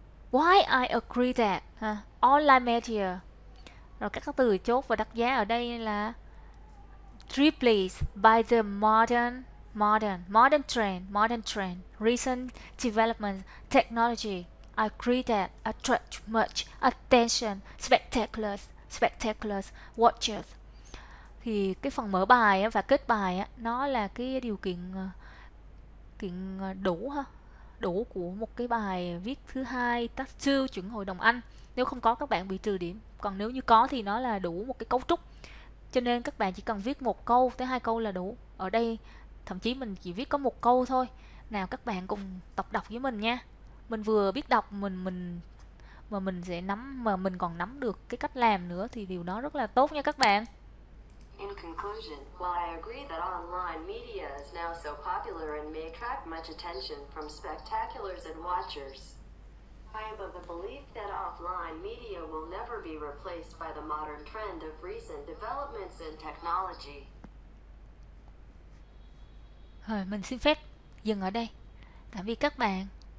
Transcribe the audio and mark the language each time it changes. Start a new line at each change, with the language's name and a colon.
English: Why I agree that online media.
Vietnamese: Rồi các từ chốt và đắt giá ở đây là
English: replace by the modern trend, recent development, technology. I agree that attract much attention, spectaculars, watchers.
Vietnamese: Thì cái phần mở bài và kết bài nó là cái điều kiện đủ ha, đủ của một cái bài viết thứ hai, task 2, chuẩn hội đồng Anh. Nếu không có các bạn bị trừ điểm, còn nếu như có thì nó là đủ một cái cấu trúc. Cho nên các bạn chỉ cần viết một câu tới hai câu là đủ. Ở đây thậm chí mình chỉ viết có một câu thôi. Nào các bạn cùng tập đọc với mình nha. Mình vừa biết đọc mình sẽ nắm mà mình còn nắm được cái cách làm nữa thì điều đó rất là tốt nha các bạn.
English: In conclusion, while I agree that online media is now so popular and may attract much attention from spectaculars and watchers, I am of the belief that offline media will never be replaced by the modern trend of recent developments in technology.
Vietnamese: Rồi, mình xin phép dừng ở đây. Tạm biệt các bạn.